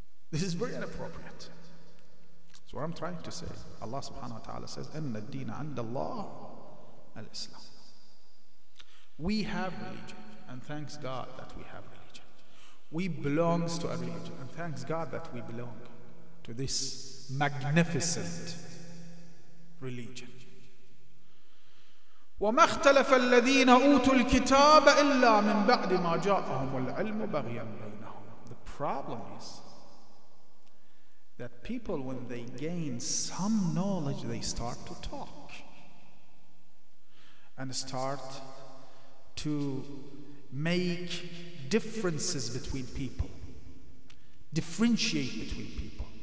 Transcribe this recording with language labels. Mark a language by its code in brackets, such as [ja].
[en] This is very inappropriate. So what I'm trying to say, Allah subhanahu wa ta'ala says, [ar] "Inna ad-deen 'inda Allah al-Islam." [en] We have religion, and thanks God that we have religion. We belong to a religion, and thanks God that we belong to this magnificent religion. [ar] وما اختلف الذين أوتوا الكتاب إلا من بعد ما جاءهم العلم بغيا بينهم. [en] The problem is that people, when they gain some knowledge, they start to talk and start to make differences between people, differentiate between people.